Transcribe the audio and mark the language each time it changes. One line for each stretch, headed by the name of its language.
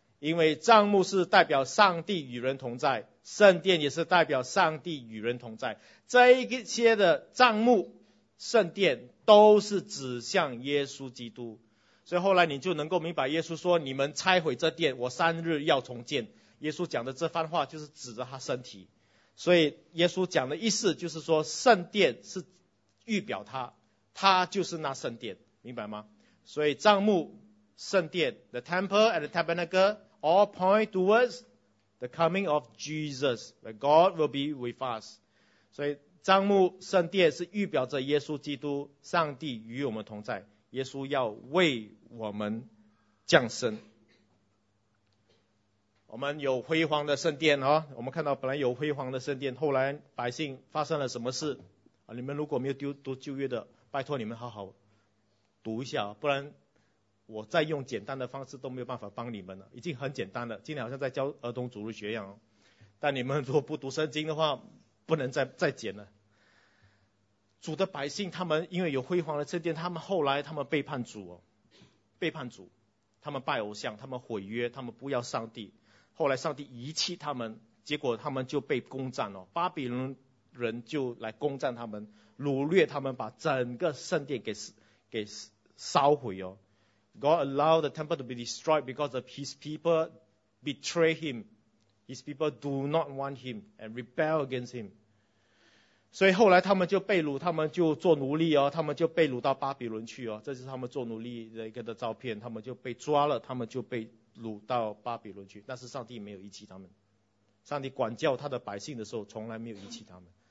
Chinese: 因为帐幕是代表上帝与人同在，圣殿也是代表上帝与人同在，这一些的帐幕圣殿都是指向耶稣基督。所以后来你就能够明白耶稣说，你们拆毁这殿，我三日要重建。耶稣讲的这番话就是指着他身体，所以耶稣讲的意思就是说，圣殿是预表他，他就是那圣殿，明白吗？所以帐幕圣殿
English: The temple and the tabernacle all point towards the coming of Jesus, that God will be with us.
Chinese: 所以帐幕圣殿是预表着耶稣基督，上帝与我们同在，耶稣要为我们降生。我们有辉煌的圣殿、哦、我们看到本来有辉煌的圣殿，后来百姓发生了什么事、啊、你们如果没有读旧约的，拜托你们好好读一下，不然我再用简单的方式都没有办法帮你们了，已经很简单了，今天好像在教儿童主日学一样、哦、但你们如果不读圣经的话，不能再剪了。主的百姓他们因为有辉煌的圣殿，他们后来他们背叛主、哦、背叛主，他们拜偶像，他们毁约，他们不要上帝，后来上帝遗弃他们，结果他们就被攻占了、哦、巴比伦人就来攻占他们，掳掠他们，把整个圣殿给烧毁哦。
English: God allowed the temple to be destroyed because of his people betray him. His people do not want him and rebel against him.
Chinese: 所以后来他们就被掳，他们就做奴隶哦，他们就被掳到巴比伦去哦。这是他们做奴隶的一个的照片，他们就被抓了，他们就被掳到巴比伦去。但是上帝没有遗弃他们，上帝管教他的百姓的时候从来没有遗弃他们。